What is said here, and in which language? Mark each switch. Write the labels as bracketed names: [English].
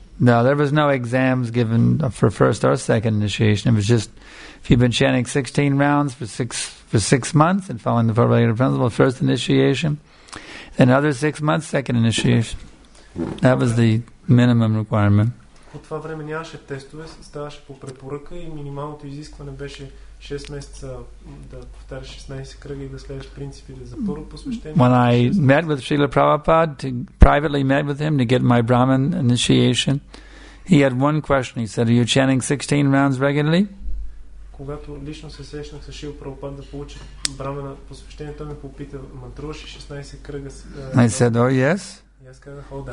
[English] No, there was no exams given for first or second initiation. It was just if you've been chanting 16 rounds for six months and following the four regular principles, first initiation, then another 6 months, second initiation. That was the minimum requirement. [Bulgarian] От това време нямаше тестове, ставаше по препоръка и минималното изискване беше 6 месеца да повтаряш 16 кръга и да следваш принципите за първо посвещение. [English] When I met with Srila Prabhupada, privately met with him to get my Brahman initiation, he had one question. He said, are you chanting 16 rounds regularly? [Bulgarian] Когато лично се срещнах с Шрила Прабхупада да получа Брахман посвещение, той ме попита, мантруваш ли 16 кръга? [English] I said, oh yes. [Bulgarian] И аз казах, oh, да.